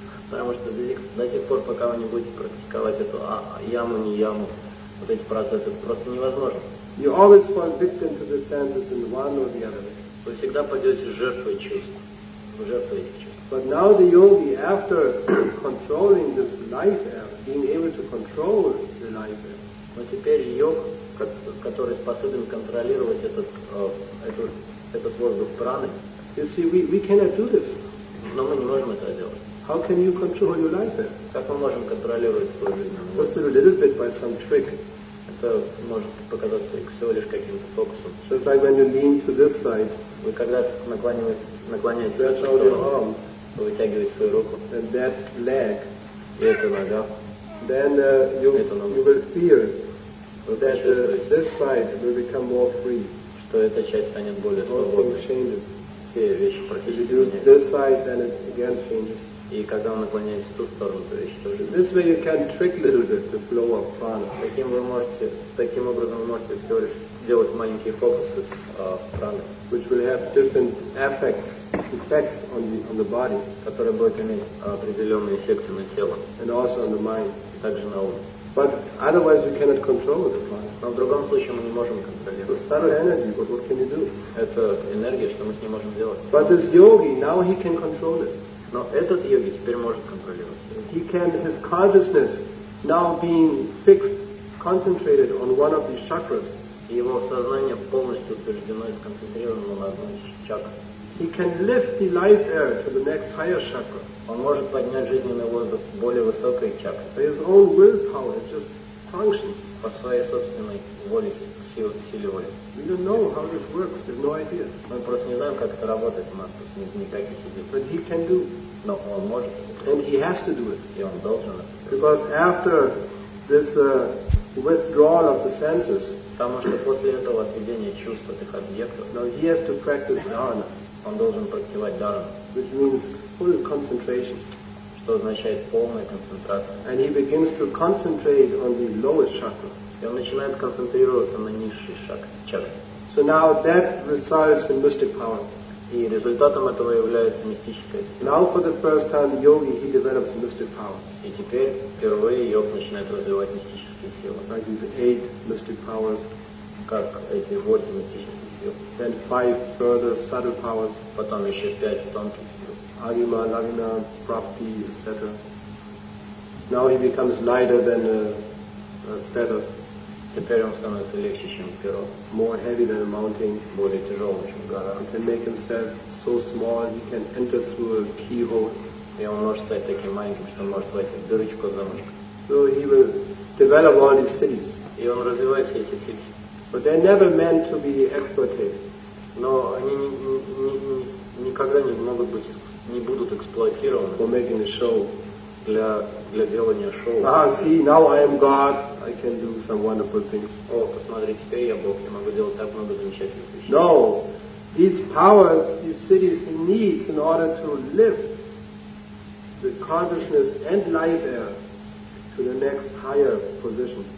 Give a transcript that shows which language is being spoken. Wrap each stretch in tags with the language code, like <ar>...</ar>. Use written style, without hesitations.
<ru>Потому что до тех пор, пока вы не будете практиковать эту яму, ниyamu, вот эти процессы, это просто невозможно.</ru> <en>You always fall victim to the senses in one or the other.</en> <ru>Вы всегда пойдете жертвой чувств. Жертвой этих чувств.</ru> <en>But now the yogi, after controlling this life air, being able to control the life air.</en> <ru>Но теперь йог, который способен контролировать этот воздух праны.</ru> <en>You see, we cannot do this.</en> <ru>Но мы не можем этого делать.</ru> <en>How can you control your life air?</en> <ru>Как мы можем контролировать свою жизнь?</ru> <en>Just a little bit by some trick.</en> <ru>Это может показаться всего лишь каким-то фокусом.</ru> <en>Just like when you lean to this side.</en> <ru>Вы когда наклоняетесь, вытягиваете свою руку.</ru> <en>And that leg.</en> <ru>И эта нога.</ru> <en>Then you will fear that this side will become more free.</en> <ru>Что эта часть станет более свободной.</ru> <en>All changes.</en> <ru>Все вещи практически меняются.</ru> <en>This side, then it again changes.</en> <ru>И когда вы наклоняетесь в ту сторону, то вещи тоже.</ru> <en>This way you can trick a little bit the flow of prana.</en> <ru>Таким образом вы можете всего лишь делать маленькие фокусы с праной.</ru> <en>Which will have different effects on the body,</en> <ru>которые будут иметь определенные эффекты на тело,</ru> <en>and also on the mind,</en> <ru>также на ум.</ru> <en>But otherwise we cannot control the mind.</en> <ru>Но в другом случае мы не можем контролировать.</ru> <en>It's subtle energy, but what can you do?</en> <ru>Это энергия, что мы с ней можем делать.</ru> <en>But this yogi now he can control it.</en> <ru>Но этот йоги теперь может контролировать.</ru> <en>He can, his consciousness now being fixed, concentrated on one of these chakras.</en> <ru>Его сознание полностью утверждено и сконцентрировано на одной из чакр.</ru> <en>He can lift the life air to the next higher chakra.</en> <ru>Он может поднять жизненный воздух в более высокой чакре.</ru> <en>By his own willpower, it just functions.</en> <ru>По своей собственной воле, силе воли.</ru> <en>We don't know how this works. We have no idea.</en> <ru>Мы просто не знаем, как это работает. У нас тут нет никаких идей.</ru> <en>But he can do.</en> <ru>Но он может.</ru> <en>And he has to do it.</en> <ru>И он должен это.</ru> <en>Because after this withdrawal of the senses.</en> <ru>Потому что после этого отведения чувств от их объектов.</ru> <en>Now he has to practice dharana.</en> <ru>Он должен практиковать дхарму.</ru> <en>Which means full concentration.</en> <ru>Что означает полная концентрация.</ru> <en>And he begins to concentrate on the lowest chakra.</en> <ru>И он начинает концентрироваться на низшей чакре.</ru> <en>So now that results in mystic power.</en> <ru>И результатом этого является мистическая сила.</ru> <en>Now for the first time yogi he develops mystic powers.</en> <ru>И теперь впервые йог начинает развивать мистические силы.</ru> <en>Like these 8 mystic powers.</en> <ru>Как эти 8 мистических сил.</ru> <en>Then 5 further subtle powers.</en> <ru>Потом еще 5 тонких сил.</ru> <en>Agama, lagana, prapti, etc. Now he becomes lighter than a feather.</en> <ru>Теперь он становится легче, чем перо.</ru> <en>More heavy than a mountain.</en> <ru>Более тяжелым, чем гора.</ru> <en>He can make himself so small he can enter through a keyhole.</en> <ru>И он может стать таким маленьким, что он может войти в дырочку в замочку.</ru> <en>So he will develop all these cities.</en> <ru>И он развивает все эти сети.</ru> <en>But they're never meant to be exploited.</en> <ru>Но они никогда не могут быть не будут эксплуатированы.</ru> <en>For making a show.</en> <ru>Для делания шоу.</ru> <en>Ah, see, now I am God. I can do some wonderful things.</en> <ru>О, посмотри, теперь я Бог, я могу делать так много замечательных вещей.</ru> <en>No, these powers, these cities need in order to lift the consciousness and life there to the next higher position.</en>